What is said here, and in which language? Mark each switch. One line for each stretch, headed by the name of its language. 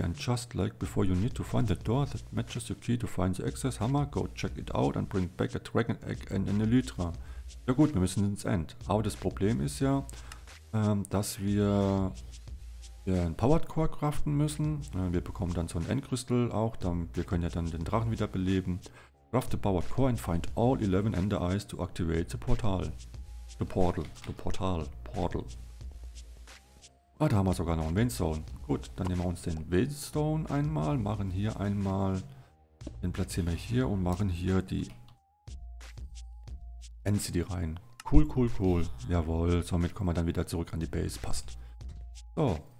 English: And just like before, you need to find the door that matches your key to find the access hammer. Go check it out and bring back a dragon egg and an elytra.
German: Ja gut, wir müssen ins End. Aber das Problem ist ja, dass wir... Wir einen Powered Core craften müssen. Wir bekommen dann so ein Endkristall auch. Wir können ja dann den Drachen wieder beleben.
English: Craft the Powered Core and find all 11 Ender Eyes to activate the Portal. Portal.
German: Ah, da haben wir sogar noch einen Veinstone. Gut, dann nehmen wir uns den Veinstone einmal. Machen hier einmal. Den platzieren wir hier und machen hier die End-City rein. Cool, cool, cool. Jawohl, somit kommen wir dann wieder zurück an die Base. Passt. So.